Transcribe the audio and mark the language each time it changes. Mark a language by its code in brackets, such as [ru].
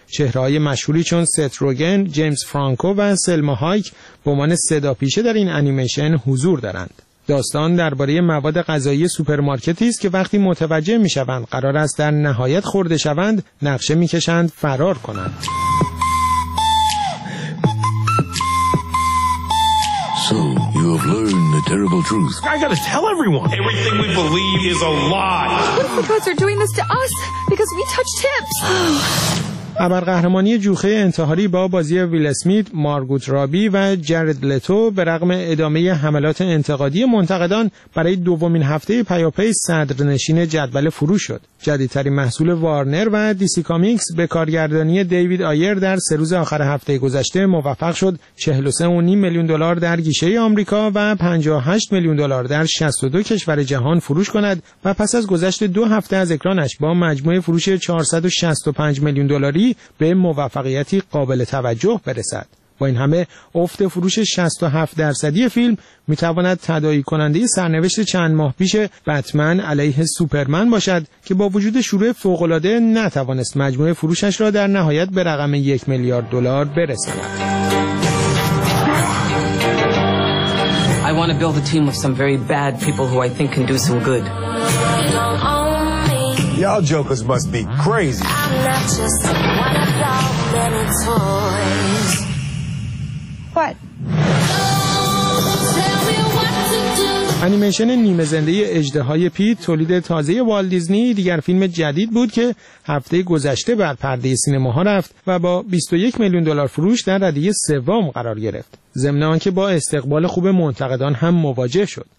[fa] چهره‌های مشهوری چون سیت روگن، جیمز فرانکو و سلما هایک به عنوان صداپیشه در این انیمیشن حضور دارند. داستان درباره مواد غذایی سوپرمارکتی است که وقتی متوجه می‌شوند قرار است در نهایت خورده شوند، نقشه می‌کشند فرار کنند. [en] So you have learned the terrible truth. I gotta tell everyone. Everything we believe is a lie. What if the gods are doing this to us because we touched tips? [fa] ابرقهرمانی جوخه انتحاری با بازی ویل اسمیت، مارگوت رابی و جارد لتو به رغم ادامه حملات انتقادی منتقدان برای دومین هفته پیاپی صدرنشین جدول فروش شد. جدیدترین محصول وارنر و دیسی کامیکس به کارگردانی دیوید آیر در سه روز آخر هفته گذشته موفق شد 43.5 میلیون دلار در گیشه آمریکا و 58 میلیون دلار در 62 کشور جهان فروش کند و پس از گذشت دو هفته از اکرانش با مجموعه فروش 465 میلیون دلاری به موفقیتی قابل توجه برسد. با این همه افت فروش 67% فیلم میتواند تداعی کننده سرنوشت چند ماه پیش بتمن علیه سوپرمن باشد که با وجود شروع فوق‌العاده نتوانست مجموعه فروشش را در نهایت به رقم 1 میلیارد دلار برساند. [en] I want to build a team of some very bad people who I think can do some good. Y'all jokers must be crazy. I'm not just one of y'all many toys. [fa] انیمیشن نیمه زنده اژدهای پیت تولید تازه والت دیزنی دیگر فیلم جدید بود که هفته گذشته بر پرده سینماها رفت و با 21 میلیون دلار فروش در رده سوم قرار گرفت، ضمن آنکه با استقبال خوب منتقدان هم مواجه شد.